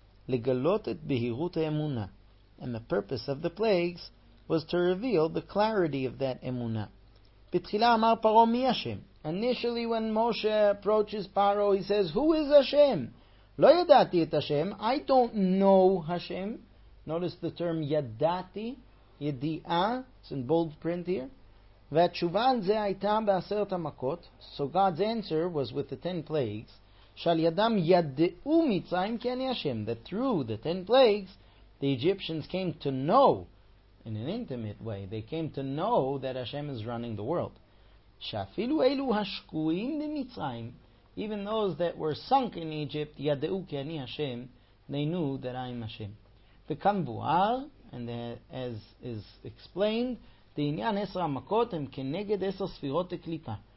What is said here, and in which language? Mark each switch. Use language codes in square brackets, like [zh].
[he] לגלות את בהירות האמונה. [en] And the purpose of the plagues was to reveal the clarity of that emunah. [he] בתחילה אמר פרו מי השם? [en] Initially when Moshe approaches Paro, he says, who is Hashem? [he] לא ידעתי את השם. [en] I don't know Hashem. Notice the term ידעתי, ידיעה. It's in bold print here. [he] והתשובה על זה הייתה בעשרת המכות. [en] So God's answer was with the ten plagues. [he] שעל ידם ידעו מצרים כי אני השם. [en] That through the ten plagues, the Egyptians came to know, in an intimate way, they came to know that Hashem is running the world. [he] שאפילו אלו השקועים במצרים, [en] even those that were sunk in Egypt, [he] ידעו כי אני השם, [en] they knew that I am Hashem. [he] וכאן בואר, [en] and as is explained, [he] דעניין עשר המכות הם כנגד עשר ספירות הקליפה.